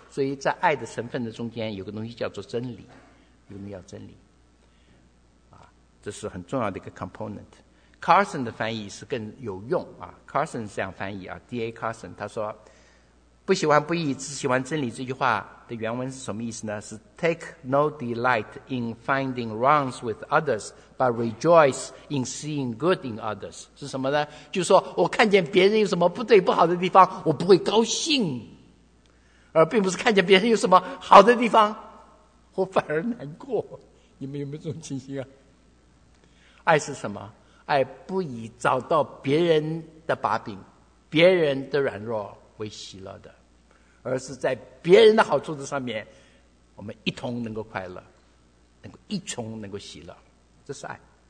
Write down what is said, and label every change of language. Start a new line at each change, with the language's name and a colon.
Chinese: 所以在爱的成分的中间有个东西叫做真理，有个东西叫真理。这是很重要的一个 component。Carson 的翻译是更有用啊。 Carson 是这样翻译啊 ，D.A. Carson 他说：“不喜欢不义，只喜欢真理。” 这句话的原文是什么意思呢？
English: 是 Take no delight in finding wrongs with others, but rejoice in seeing good in others。
Chinese: 是什么呢？就是说我看见别人有什么不对不好的地方，我不会高兴，而并不是看见别人有什么好的地方，我反而难过。你们有没有这种情形啊？爱是什么？爱不以找到别人的把柄、别人的软弱为喜乐的，而是在别人的好处的上面，我们一同能够快乐，能够一同能够喜乐，这是爱。